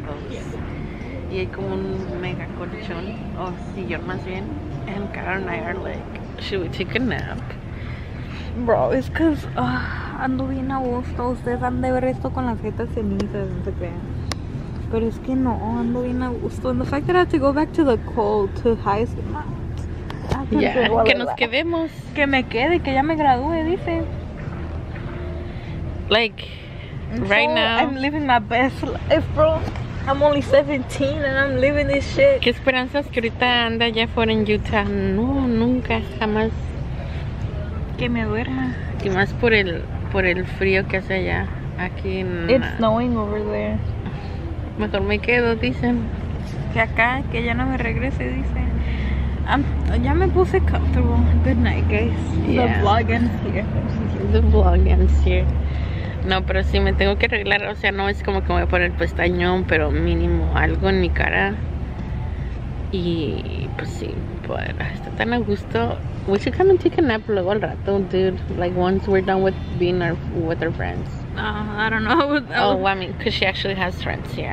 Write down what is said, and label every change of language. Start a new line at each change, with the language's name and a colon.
Spanish: Yeah. Y hay como un mega colchón, o sillón más bien.
English: And Carol and I are like, should we take a nap? Bro, it's cause
Spanish: ando bien a gusto. Ustedes han de ver esto con las jetas cenizas, no se crean. Pero es que no, ando bien a gusto.
English: And the fact that I have to go back to the cold, to high school.
Spanish: Yeah, que nos quedemos. Que me quede, que ya me gradúe, dice.
English: Like, right so, now. I'm living my best life, bro. I'm only 17 and I'm living this shit.
Spanish: Qué esperanzas que ahorita anda allá fuera en Utah. No, nunca, jamás. Que me duerma. Y más por el frío que hace allá. Aquí en.
English: It's snowing over there.
Spanish: Mejor me quedo, dicen. Que acá, que ya no me regrese, dicen. Ya me puse comfortable.
English: Good night, guys. Yeah. The vlog ends here. The vlog ends here.
Spanish: No, pero sí me tengo que arreglar. O sea, no es como que me voy a poner pestañón, pero mínimo algo en mi cara. Y pues sí, pero está tan a gusto.
English: We should come and take a nap
Spanish: luego al rato,
English: dude. Like once we're done with being with our friends. I don't know. Oh, I mean, because she actually has friends here.